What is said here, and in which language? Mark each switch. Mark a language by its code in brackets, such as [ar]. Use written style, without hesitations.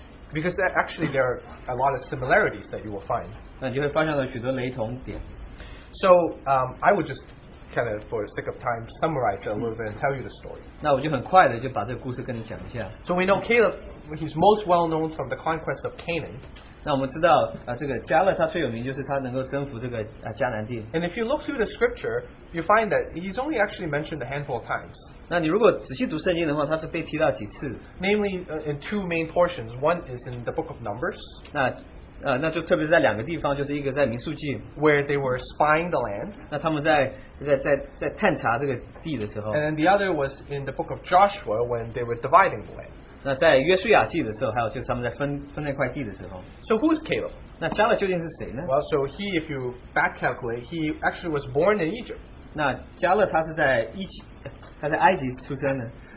[en] Because there, actually there are a lot of similarities that you will find. [zh] 那你就会发现了许多雷同点。 [en] So I would just kind of for the sake of time summarize it a little bit and tell you the story. [zh] 那我就很快的就把这个故事跟你讲一下。 [en] So we know Caleb, he's most well known from the conquest of Canaan. [zh] 那我们知道, 这个迦勒他最有名就是他能够征服这个, 迦南地。 [en] And if you look through the scripture, you find that he's only actually mentioned a handful of times. [zh] 那你如果仔细读圣经的话, 他是被提到几次。 [en] Namely in two main portions. One is in the book of Numbers. [zh] 那, 那就特别是在两个地方，就是一个在民数记， [en] where they were spying the land. [zh] 那他们在探查这个地的时候， [en] and then the other was in the book of Joshua when they were dividing the land. [zh] 那在约书亚记的时候，还有就是他们在分那块地的时候。 [en] So who is Caleb? [zh] 那迦勒究竟是谁呢？ [en] Well, so he, if you back calculate, he actually was born in Egypt. [zh] 那迦勒他是在埃及出生的。